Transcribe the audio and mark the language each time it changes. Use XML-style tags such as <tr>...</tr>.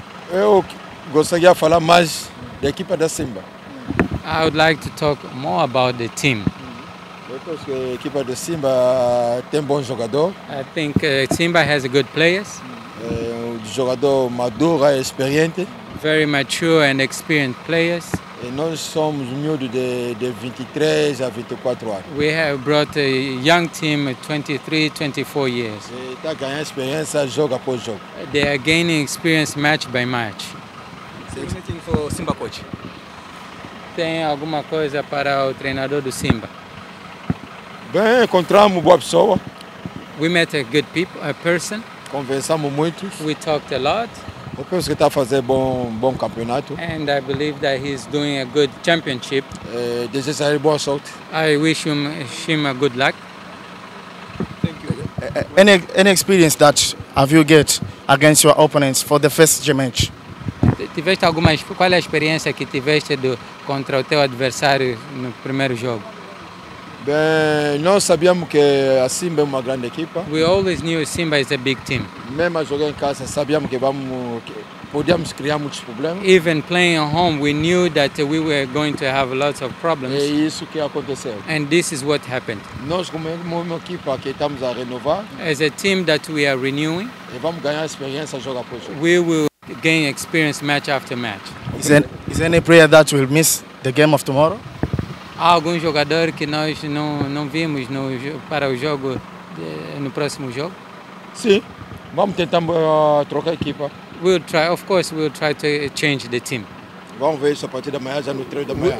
<pt>Eu gostaria de falar mais da equipa da Simba.</pt> <en>I would like to talk more about the team.</en> <pt>Eu acho que a equipa da Simba tem bom jogador.</pt> <en>I think Simba has good players.</en> <pt>Jogador maduro e experiente.</pt> <en>Very mature and experienced players.</en> <pt>E nós somos miúdos de 23 a 24 anos.</pt> <en>We have brought a young team 23, 24 years.</en> <pt>Está ganhando experiência jogo após jogo.</pt> <en>They are gaining experience match by match. Anything for Simba coach?</en> <pt>Tem alguma coisa para o treinador do Simba? Bem, encontramos boa pessoa.</pt> <en>We met a good people, a person.</en> <pt>Conversamos muito.</pt> <en>We talked a lot.</en> <pt>Eu penso que está a fazer bom campeonato.</pt> <en>And I believe that he's doing a good championship.</en> <pt>Desejo a ele boa sorte.</pt> <en>I wish him a good luck. Thank you. Any experience that have you get against your opponents for the first match?</en> <pt>Tiveste alguma, qual é a experiência que tiveste contra o teu adversário no primeiro jogo? Bem, nós sabíamos que a Simba é uma grande equipa.</pt> <en>We always knew Simba is a big team.</en> <pt>Mesmo a jogar em casa, sabíamos que podíamos criar muitos problemas.</pt> <en>Even playing at home, we knew that we were going to have lots of problems.</en> <pt>É isso que aconteceu.</pt> <en>And this is what happened.</en> <pt>Nós como uma equipa que estamos a renovar.</pt> <en>As a team that we are renewing.</en> <pt>E vamos ganhar experiência jogo após jogo.</pt> <en>We will gain experience match after match. Is there any player that will miss the game of tomorrow?</en> <pt>Há algum jogador que nós não vimos para o jogo, no próximo jogo? Sim, vamos tentar trocar a equipa.</pt> <en>We'll try, of course, we'll try to change the team.</en> <pt>Vamos ver isso a partir da manhã, já no treino da manhã.</pt>